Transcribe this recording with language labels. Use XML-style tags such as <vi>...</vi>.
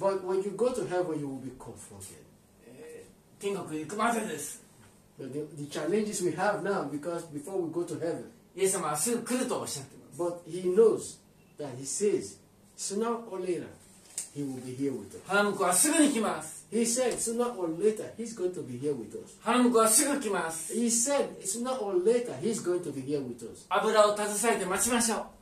<en>But when you go to heaven, you will be comforted.</en> <ja>天国行くまでです。</ja> <en>The challenges we have now, because before we go to heaven,</en> <ja>イエス様はすぐ来るとおっしゃってます。</ja> <en>But he knows that he says, sooner or later, he will be here with us.</en> <ja>ハラム君はすぐに来ます。</ja> <en>He said, sooner or later, he's going to be here with us.</en> <ja>ハラム君はすぐ来ます。</ja> <en>He said, sooner or later, he's going to be here with us.</en> <ja>油を携えて待ちましょう。</ja>